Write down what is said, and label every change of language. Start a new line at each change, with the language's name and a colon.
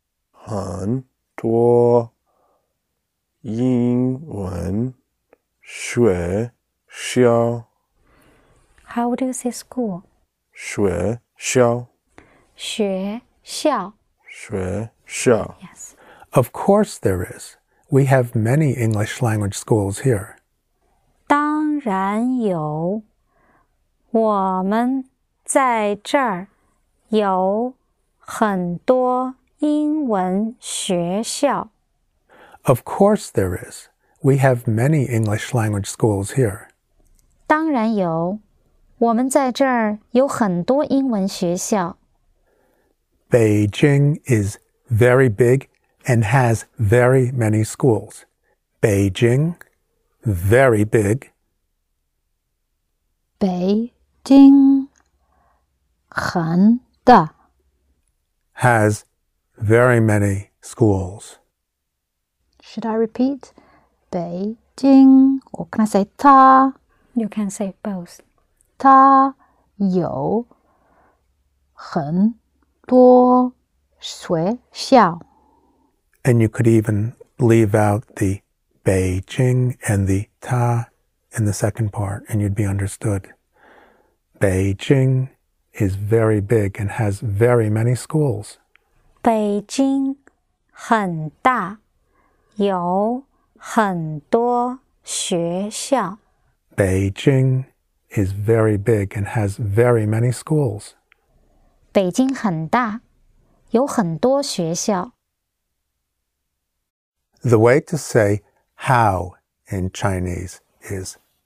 Chinese: 很.多英文学校.
English: How would you say school?
Chinese: 学校. 学校. 学校.
English: Yes. Of course there is. We have many English language schools here.
Chinese: 然有，我们在这儿有很多英文学校。
English: Of course there is. We have many English language schools here.
Chinese: 当然有，我们在这儿有很多英文学校。
English: Beijing is very big and has very many schools. Beijing, very big.
Chinese: Beijing, 很大。
English: Has very many schools. Should I repeat? Beijing, or can I say 它? You can say both.
Chinese: 它有很多学校。
English: And you could even leave out the Beijing and the 它 in the second part, and you'd be understood. Beijing is very big and has very many schools.
Chinese: Beijing 很大，有很多学校。
English: Beijing is very big and has very many schools.
Chinese: 北京很大，有很多学校。
English: The way to say how in Chinese is